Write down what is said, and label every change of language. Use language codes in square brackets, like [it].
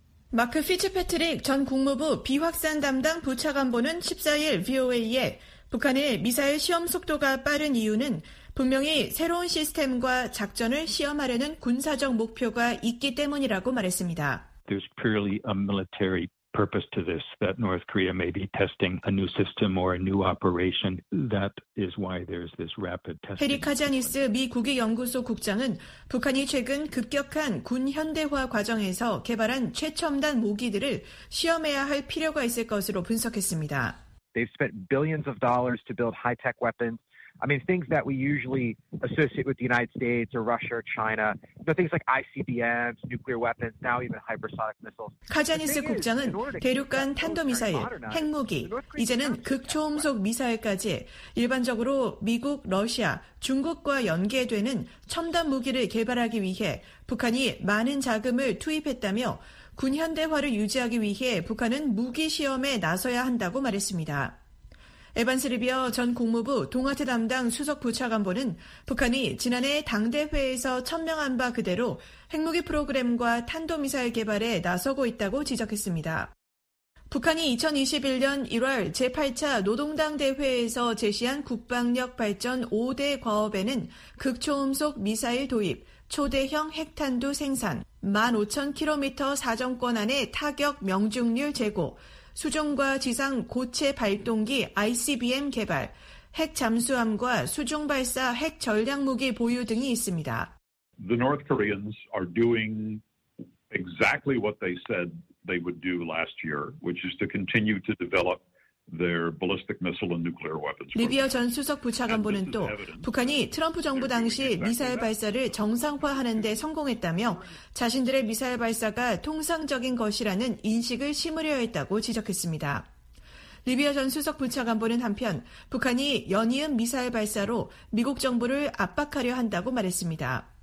[ko] 마크 피츠패트릭 전 국무부 비확산 담당 부차관보는 14일 VOA에 북한의 미사일 시험 속도가 빠른 이유는 분명히 새로운 시스템과 작전을 시험하려는 군사적 목표가 있기 때문이라고 말했습니다. [en] There's purely a military purpose to this that North Korea may be testing a new system or a new operation. That is why there's this rapid testing. [ko] 해리 카자니스 미 국익연구소 국장은 북한이 최근 급격한 군 현대화 과정에서 개발한 최첨단 무기들을 시험해야 할 필요가 있을 것으로 분석했습니다. [en] They've spent billions of dollars to build high-tech weapons. I mean, things that we usually associate with the United States or Russia or China, you know, things like ICBMs, nuclear weapons, now even hypersonic missiles. [ko] 카자니스 국장은 대륙간 탄도미사일, 핵무기, 이제는 극초음속 미사일까지 일반적으로 미국, 러시아, 중국과 연계되는 첨단 무기를 개발하기 위해 북한이 많은 자금을 투입했다며 군 현대화를 유지하기 위해 북한은 무기 시험에 나서야 한다고 말했습니다. 에반스 리비어 전 국무부 동아태 담당 수석 부차관보는 북한이 지난해 당대회에서 천명한 바 그대로 핵무기 프로그램과 탄도미사일 개발에 나서고 있다고 지적했습니다. 북한이 2021년 1월 제8차 노동당 대회에서 제시한 국방력 발전 5대 과업에는 극초음속 미사일 도입, 초대형 핵탄두 생산, 15,000km 사정권 안의 타격 명중률 제고, 수중과 지상 고체 발동기 ICBM 개발, 핵 잠수함과 수중 발사 핵 전략 무기 보유 등이 있습니다. [en] The North Koreans are doing exactly what they said they would do last year, which is to continue to develop their ballistic missile and nuclear weapons. [ko] 리비어 전 수석 부차관보는 또 북한이 트럼프 정부 당시 미사일 발사를 정상화하는 데 성공했다며 자신들의 미사일 발사가 통상적인 것이라는 인식을 심으려 했다고 지적했습니다. 리비어 전 수석 부차관보는 한편 북한이 연이은 미사일 발사로 미국 정부를 압박하려 한다고 말했습니다.